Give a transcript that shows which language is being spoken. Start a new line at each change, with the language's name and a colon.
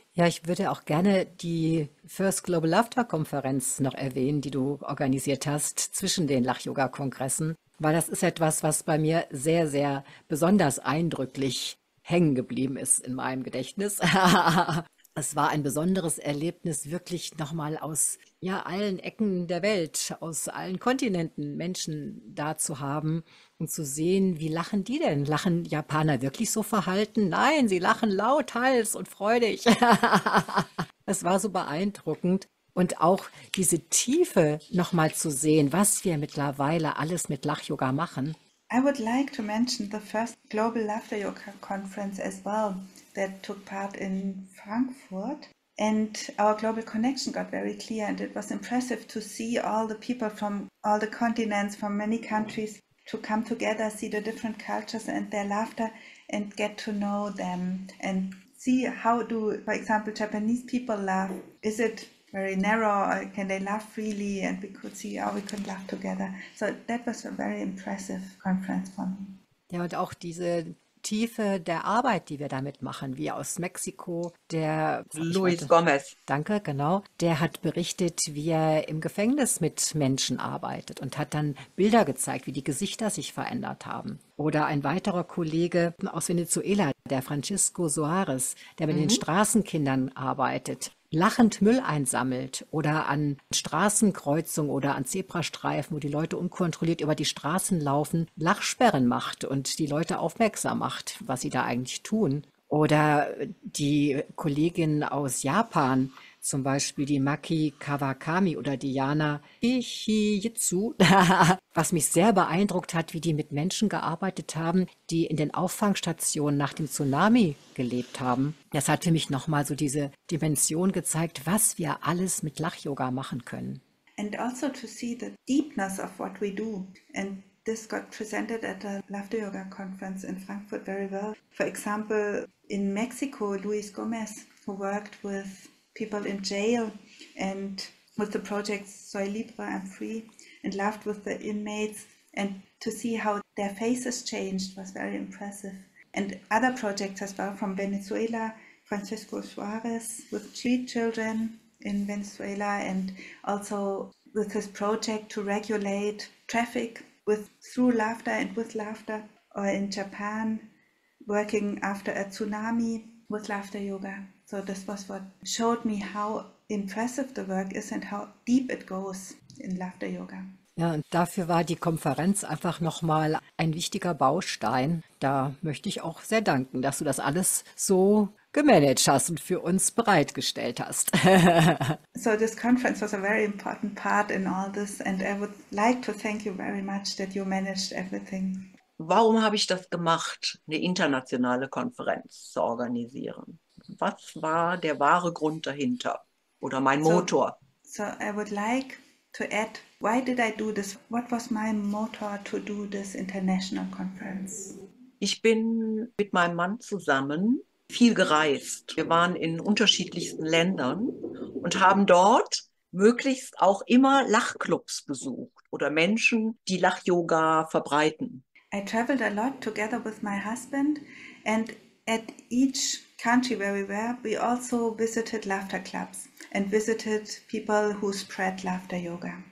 German: Ja, ich würde auch gerne die First Global Laughter Konferenz noch erwähnen, die du organisiert hast zwischen den Lach-Yoga-Kongressen. Weil das ist etwas, was bei mir sehr, sehr besonders eindrücklich hängen geblieben ist in meinem Gedächtnis. Es war ein besonderes Erlebnis, wirklich nochmal aus ja, allen Ecken der Welt, aus allen Kontinenten Menschen da zu haben und zu sehen, wie lachen die denn? Lachen Japaner wirklich so verhalten? Nein, sie lachen lauthals und freudig. Es war so beeindruckend. Und auch diese Tiefe nochmal zu sehen, was wir mittlerweile alles mit Lach-Yoga machen.
English: I would like to mention the first Global Laughter Yoga Conference as well that took part in Frankfurt. And our global connection got very clear, and it was impressive to see all the people from all the continents, from many countries, to come together, see the different cultures and their laughter, and get to know them and see how do, for example, Japanese people laugh. Is it very narrow, or can they laugh freely? And we could see how we could laugh together. So that was a very impressive conference for me.
German: Ja, und auch diese Tiefe der Arbeit, die wir damit machen, wie aus Mexiko, der Luis Gomez. Danke, genau. Der hat berichtet, wie er im Gefängnis mit Menschen arbeitet und hat dann Bilder gezeigt, wie die Gesichter sich verändert haben. Oder ein weiterer Kollege aus Venezuela, der Francisco Soares, der mit den Straßenkindern arbeitet, lachend Müll einsammelt oder an Straßenkreuzungen oder an Zebrastreifen, wo die Leute unkontrolliert über die Straßen laufen, Lachsperren macht und die Leute aufmerksam macht, was sie da eigentlich tun. Oder die Kollegin aus Japan, zum Beispiel die Maki Kawakami oder Diana Ichijitsu, was mich sehr beeindruckt hat, wie die mit Menschen gearbeitet haben, die in den Auffangstationen nach dem Tsunami gelebt haben. Das hat für mich nochmal so diese Dimension gezeigt, was wir alles mit Lachyoga machen können.
English: And also to see the deepness of what we do. And this got presented at the Laughter Yoga Conference in Frankfurt very well. For example, in Mexico, Luis Gomez, who worked with people in jail and with the projects Soy Libre, I'm Free, and laughed with the inmates, and to see how their faces changed was very impressive. And other projects as well from Venezuela, Francisco Suarez with street children in Venezuela, and also with his project to regulate traffic with through laughter and with laughter, or in Japan working after a tsunami with laughter yoga. So this was what showed me how impressive the work is and how deep it goes in laughter yoga.
German: Ja, und dafür war die Konferenz einfach nochmal ein wichtiger Baustein. Da möchte ich auch sehr danken, dass du das alles so gemanagt hast und für uns bereitgestellt hast.
English: So this conference was a very important part in all this and I would like to thank you very much that you managed everything.
German: Warum habe ich das gemacht, eine internationale Konferenz zu organisieren? Was war der wahre Grund dahinter oder mein Motor?
English: So I would like to add, why did I do this? What was my motor to do this international conference?
German: Ich bin mit meinem Mann zusammen viel gereist. Wir waren in unterschiedlichsten Ländern und haben dort möglichst auch immer Lachclubs besucht oder Menschen, die Lachyoga verbreiten.
English: I traveled a lot together with my husband and at each country where we were, we also visited laughter clubs and visited people who spread laughter yoga.